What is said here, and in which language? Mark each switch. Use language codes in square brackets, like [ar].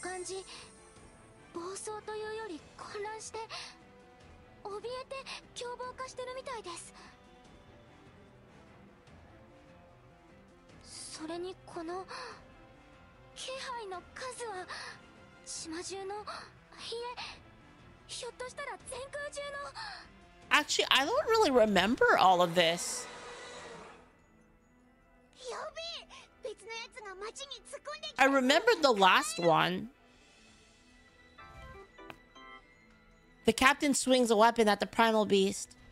[ja] 感じ、暴走というより混乱して怯えて凶暴化してるみたいです。それにこの気配の数は、島中の、いえ、ひょっとしたら全空中の。 [en] Actually, I don't really remember all of this. [ja] やべえ、別のやつが町に突っ込んできた。 [en] I remember the last one. The captain swings a weapon at the primal beast.